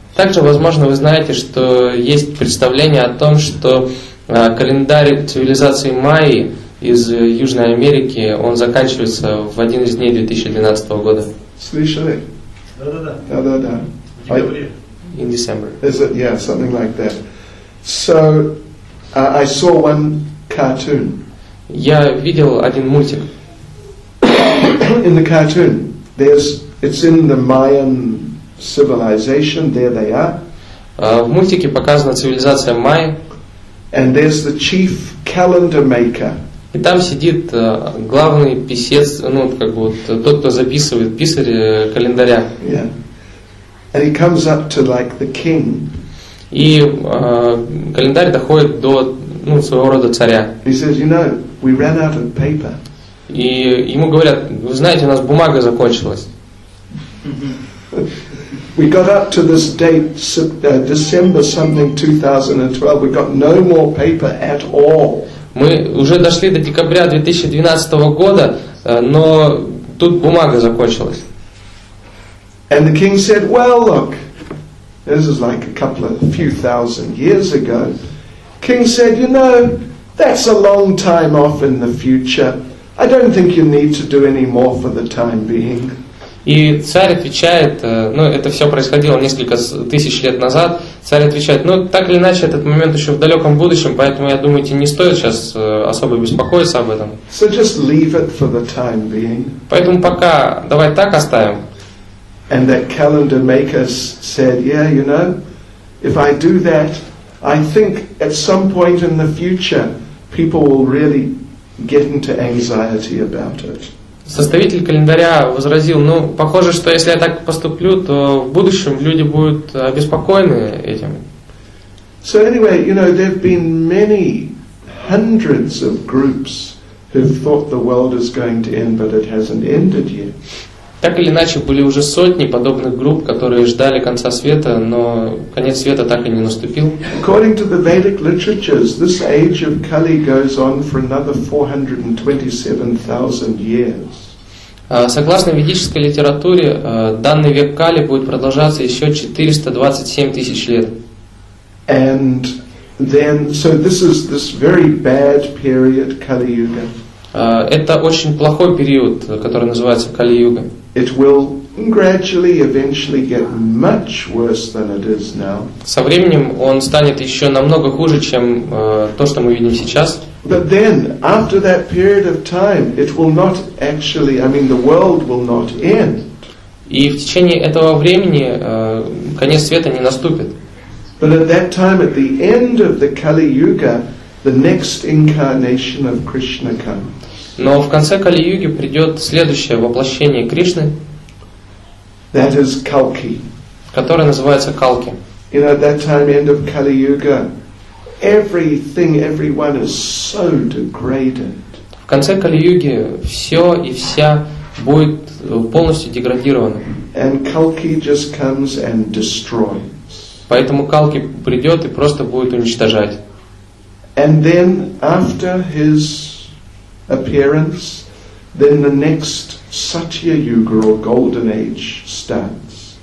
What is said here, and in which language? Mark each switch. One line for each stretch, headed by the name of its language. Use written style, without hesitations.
Russian: Также, возможно, вы знаете, что есть представление о том, что календарь цивилизации Майи из Южной Америки, он заканчивается в один из дней 2012 года. Слышали? Да-да-да. В декабре.
English: In December. Is it? Yeah, something like that. So, I saw one cartoon.
Russian: Я видел один мультик.
English: In the cartoon, it's in the Mayan civilization, there they are.
Russian: В мультике показана цивилизация Майя.
English: And there's the chief calendar maker.
Russian: И там сидит главный писец, ну как вот тот, кто записывает, писарь календаря.
English: Yeah. And he comes up to like the king.
Russian: И календарь доходит до ну своего рода царя.
English: He says, you know, we ran out of paper.
Russian: И ему говорят, вы знаете, у нас бумага закончилась.
English: We got up to this date, December something 2012. We got no more paper at all.
Russian: Мы уже дошли до декабря 2012 года, но тут бумага закончилась.
English: And the king said, "Well, look, this is like a couple of few thousand years ago." King said, "You know, that's a long time off in the future. I don't think you need to do any more for the time being."
Russian: И царь отвечает, ну это все происходило несколько тысяч лет назад, царь отвечает, ну так или иначе этот момент еще в далеком будущем, поэтому я думаю, тебе не стоит сейчас особо беспокоиться об этом.
English: So just leave it for the time being.
Russian: Поэтому пока давай так оставим.
English: And that calendar maker said, yeah, you know, if I do that, I think at some point in the future people will really get into anxiety about it.
Russian: Составитель календаря возразил, ну, похоже, что если я так поступлю, то в будущем люди будут обеспокоены этим.
English: So anyway, you know, there've been many hundreds of groups who thought the world is going to end, but it hasn't ended yet.
Russian: Так или иначе, были уже сотни подобных групп, которые ждали конца света, но конец света так и не наступил.
English: According to the Vedic literatures, this age of Kali goes on for another 427,000 years.
Russian: Согласно ведической литературе, данный век Кали будет продолжаться еще 427 тысяч лет.
English: And then, so this is this very bad period, Kali Yuga.
Russian: Это очень плохой период, который называется Кали-Юга.
English: It will gradually, eventually get much worse than it is now.
Russian: Со временем он станет еще намного хуже, чем то, что мы видим сейчас.
English: But then, after that period of time, it will not actually, I mean, the world will not end.
Russian: И в течение этого времени конец света не наступит.
English: But at that time, at the end of the Kali-Юга, the next incarnation of Krishna comes.
Russian: Но в конце Кали-Юги придет следующее воплощение Кришны,
English: that is Kalki.
Russian: Которое называется Калки.
English: You know, at that time, end of Kali-Yuga, everything, everyone is so degraded.
Russian: В конце Кали-Юги все и вся будет полностью деградировано.
English: And Kalki just comes and destroys.
Russian: Поэтому Калки придет и просто будет уничтожать.
English: And then after his appearance, then the next Satya Yuga or Golden Age starts.